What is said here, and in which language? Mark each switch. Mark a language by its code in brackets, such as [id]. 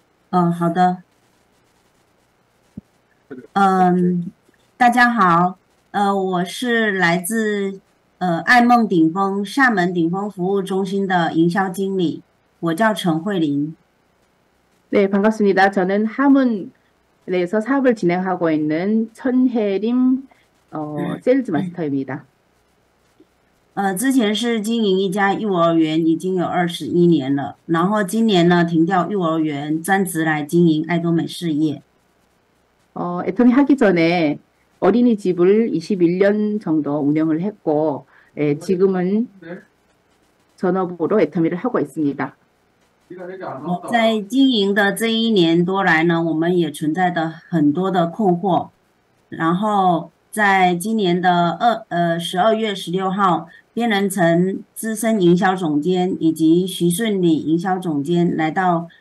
[zh] 好的。大家好，我是来自爱梦顶峰厦门顶峰服务中心的营销经理，我叫陈慧琳。 [ko] 네, 반갑습니다. 저는 하문에서 사업을 진행하고 있는 천혜림 셀즈 마스터입니다. [zh] 之前是经营一家幼儿园，已经有21年了，然后今年呢停掉幼儿园，专职来经营爱多美事业。 [ko] 애터미 하기 전에 어린이집을 21년 정도 운영을 했고, 지금은 전업으로 애터미를 하고 있습니다. [zh] 在经营的这1年多来呢，我们也存在着很多的困惑。然后在今年的12月16号，编人成资深营销总监以及徐顺礼营销总监来到